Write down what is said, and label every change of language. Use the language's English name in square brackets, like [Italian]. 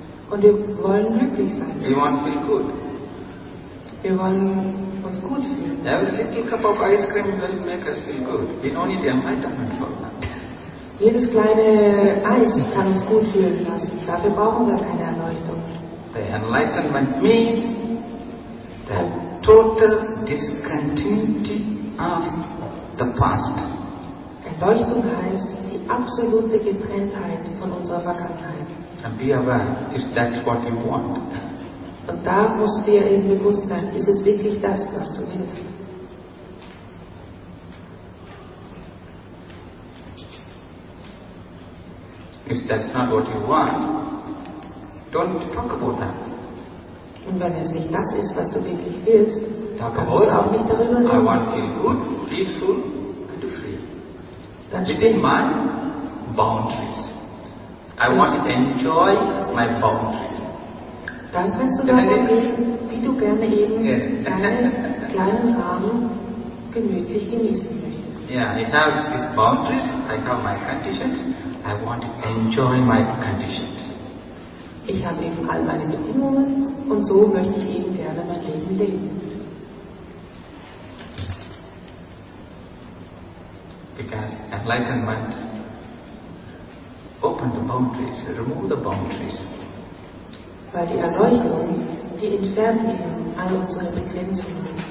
[German] Und wir wollen glücklich sein. [English] We want to feel good. [German] Wir wollen uns gut fühlen. [English] Every little cup of ice cream will make us feel good. We don't need enlightenment for that. [German] Jedes kleine Eis kann uns gut fühlen lassen. Dafür brauchen wir keine Erleuchtung. [English] The enlightenment means the total discontinuity of the past. [German] Erleuchtung heißt die absolute Getrenntheit von unserer Vergangenheit. [English] And be aware, if that's what you want. [German] Und da musst du dir eben bewusst sein, ist es wirklich das, was du willst? [English] If that's not what you want, don't talk about that. [German] Und wenn es nicht das ist, was du wirklich willst, [English] talk [German] dann musst du auch nicht darüber reden. [English] I want to feel good, peaceful, and free. That's within my boundaries. I want to enjoy my boundaries. [German] Dann kannst du darüber reden, wie du gerne eben deinen kleinen Rahmen gemütlich genießen möchtest. [English] Yeah, I have these boundaries, I have my conditions, I want to enjoy my conditions. [German] Ich habe eben all meine Bedingungen und so möchte ich eben gerne mein Leben leben. [English] Because enlightenment opened the boundaries, removed the boundaries. [German] Weil die Erleuchtung, die entfernt eben all unsere Begrenzungen.